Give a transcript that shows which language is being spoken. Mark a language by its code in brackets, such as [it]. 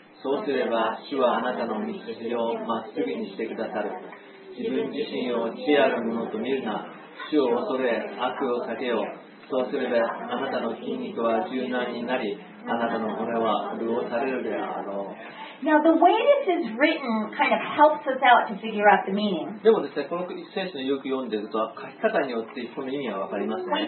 [ja] そうすれば主はあなたの道をまっすぐにしてくださる。自分自身を知恵あるものと見るな。主を恐れ悪を避けよう。そうすればあなたの筋肉は柔軟になり、あなたの骨は潤されるであろう。 [en] Now the way this is written kind of helps us out to figure out the meaning. [ja] でもですね、この聖書をよく読んでいると、書き方によってこの意味はわかりますね。